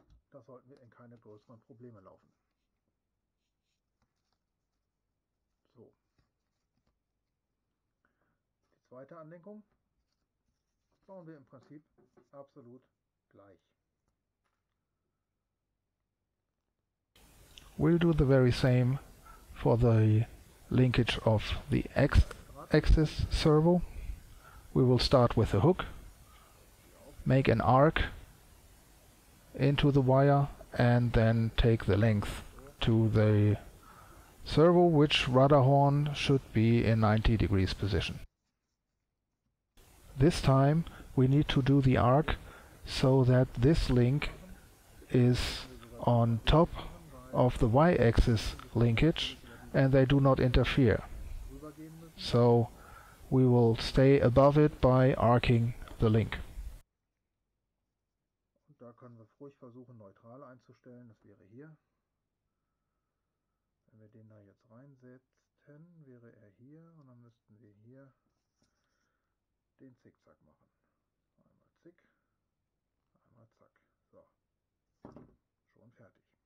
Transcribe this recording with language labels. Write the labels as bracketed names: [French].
[German] Da sollten wir in keine größeren Probleme laufen. So. Die zweite Anlenkung bauen wir im Prinzip absolut gleich. [English] We'll do the very same for the linkage of the X-axis servo. We will start with a hook, make an arc into the wire, and then take the length to the servo, which rudder horn should be in 90 degrees position. This time we need to do the arc so that this link is on top of the Y-axis linkage and they do not interfere. So we will stay above it by arcing the link. [German] Und da können wir ruhig versuchen neutral einzustellen, das wäre hier. Wenn wir den da jetzt reinsetzen, wäre er hier und dann müssten wir hier den Zickzack machen. Einmal zick, einmal zack. So. Schon fertig.